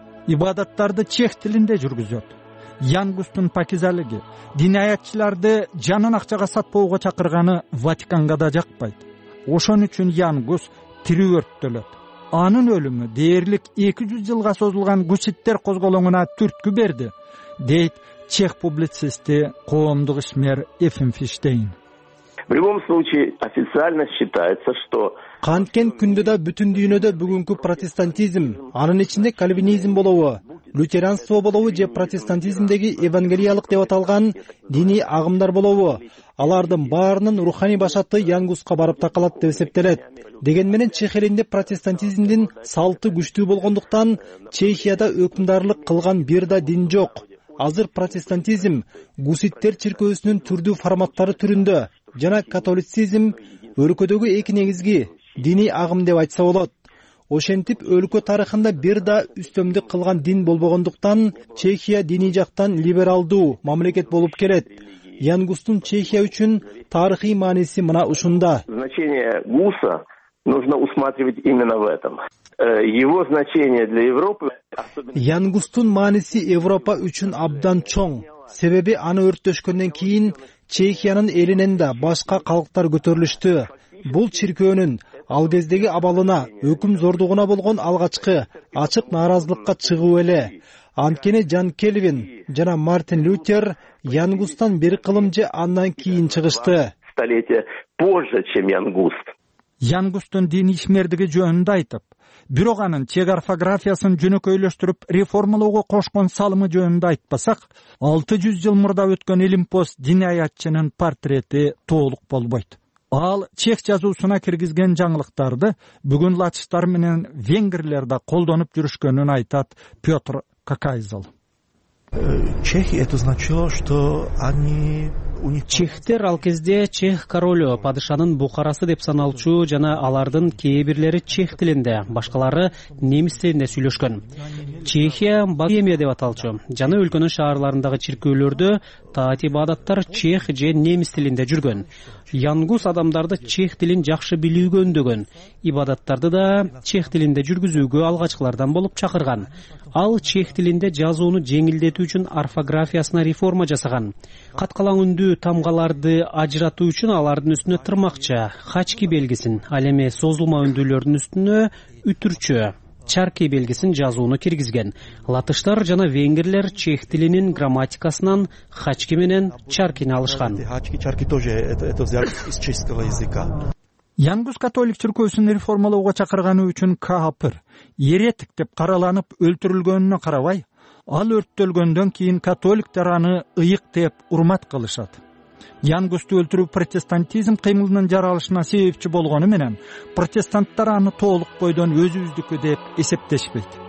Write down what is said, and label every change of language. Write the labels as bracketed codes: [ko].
[ky] Ибадаттарды чех тилинде жүргүзөт. Янгустун пакизалиги динаятчыларды жанын акчага сатпоого чакырганы Ватиканга да жакпайт. Ошон үчүн Янгус тирүү өрттөлөт. Анын өлүмү дээрлик 200 жылга созулган гуситтер козголоңуна түрткү берди, дейт чех публицисти коомдук ишмер Ефим Фиштейн. [ru] В любом случае официально считается, что [ky] Канткен күндө да бүтүн дүйнөдө бүгүнкү протестантизм, анын ичинде кальвинизм болобу, лютеранство болобу же протестантизмдеги евангелиялык деп аталган диний агымдар болобу, алардын баарынын руханий башаты Янгуска барып такалат деп эсептелет. Деген менен чех элинде протестантизмдин салты күчтүү болгондуктан Чехияда өкүмдарлык кылган бир да дин жок. Азыр протестантизм гуситтер чиркөөсүнүн түрдүү форматтары түрүндө жана католицизм өлкөдөгү эки негизги диний агым деп айтса болот. Ошентип өлкө тарыхында бир да үстөмдүк кылган дин болбогондуктан Чехия диний жактан либералдуу мамлекет болуп келет. Янгустун Чехия үчүн тарыхый мааниси мына ушунда. [ru] Значение Гуса нужно усматривать именно в этом. Его значение для Европы [ky] Янгустун мааниси Европа үчүн абдан чоң. Себеби аны өрттөшкөндөн кийин Чехиянын элинен да башка калктар көтөрүлүштү. Бул чиркөөнүн ал кездеги абалына, өкүм зордугуна болгон алгачкы ачык нааразылыкка чыгуу эле. Анткени Жан Кельвин жана Мартин Лютер Янгустан бир кылым же андан кийин чыгышты. [ru] Столетие позже, чем Янгуст. [ky] Янгустун дин ишмердиги жөнүндө айтып, бирок анын чек орфографиясын жөнөкөйлөштүрүп реформалоого кошкон салымы жөнүндө айтпасак, 600 жыл мурда өткөн Олимпос диниятчынын портрети толук болбойт. Ал чех жазуусуна киргизген жаңылыктарды бүгүн латыштар менен венгрлер да колдонуп жүрүшкөнүн айтат Петр Какайзыл. [ru] Чехи это значило, что они [ky] Чехтер ал кезде чех королю, падышанын бухарасы деп саналчу жана алардын кээ бирлери чех тилинде, башкалары немис тилинде сүйлөшкөн. Чехия Богемия деп аталчу. Жана өлкөнүн шаарларындагы чиркөөлөрдө таатибадаттар чех же немис тилинде жүргөн. Янгус адамдарды чех тилин жакшы билүүгө өндөгөн. Ибадаттарды да чех тилинде жүргүзүүгө алгачкылардан болуп чакырган. Ал чех тилинде жазууну жеңилдетүү үчүн орфографиясына реформа жасаган. Каткалаңдуу тамгаларды ажыратуу үчүн алардын үстүнө тырмакча, хачки белгисин, ал эми созулма үндүлөрдүн үстүнө үтүрчү, чарки белгисин жазууну киргизген. Латыштар жана венгерлер чех тилинин грамматикасынан хачки менен чаркини алышкан. [ru] Хачки чарки тоже это из чешского языка. [ky] Янгус католик чиркөөсүн реформалоого чакырганы үчүн каапыр, еретик деп караланып өлтүрүлгөнүнө карабай, ал өрттөлгөндөн кийин католиктер аны ыйык деп урмат кылышат. Янгусту өлтүрүү протестантизм кыймылынын жаралышына себепчи болгону менен протестанттар аны толук бойдон өзүбүздүкү деп эсептешпейт.